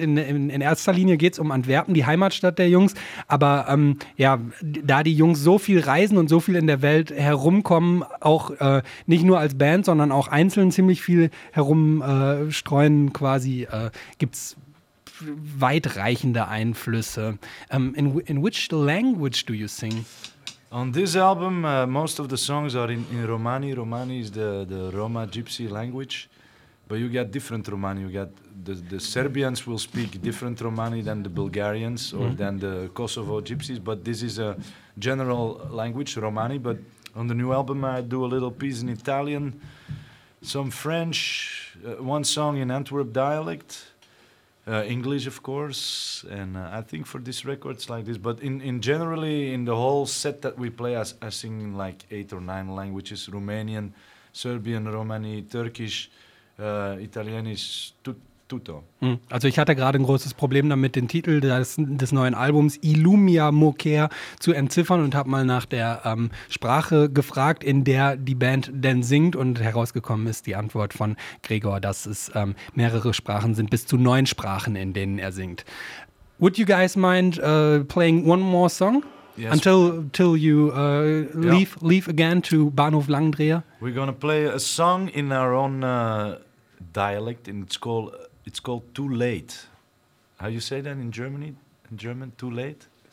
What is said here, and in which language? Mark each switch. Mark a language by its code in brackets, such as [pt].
[de] In erster Linie geht es um Antwerpen, die Heimatstadt der Jungs. Aber ja, da die Jungs so viel reisen und so viel in der Welt herumkommen, auch nicht nur als Band, sondern auch einzeln ziemlich viel herumstreuen quasi, gibt es weitreichende Einflüsse. [en] In which language do you sing? On this album, most of the songs are in Romani. Romani is the Roma Gypsy language, but you get different Romani. You get the Serbians will speak different Romani than the Bulgarians or mm-hmm. than the Kosovo Gypsies, but this is a general language, Romani. But on the new album, I do a little piece in Italian, some French, one song in Antwerp dialect. English, of course, and I think for this record it's like this. But in generally, in the whole set that we play, I sing in like 8 or 9 languages: Romanian, Serbian, Romani, Turkish, Italienisch, tutto. [de] Also ich hatte gerade ein großes Problem damit, den Titel des neuen Albums Illumia Mukea zu entziffern und habe mal nach der Sprache gefragt, in der die Band denn singt, und herausgekommen ist die Antwort von Gregor, dass es mehrere Sprachen sind, bis zu 9 Sprachen, in denen er singt. [en] Would you guys mind playing one more song? Yes. Until you leave again to Bahnhof Langendreher? We're gonna play a song in our own dialect, and it's called Too Late. How you say that in Germany? In German, too late?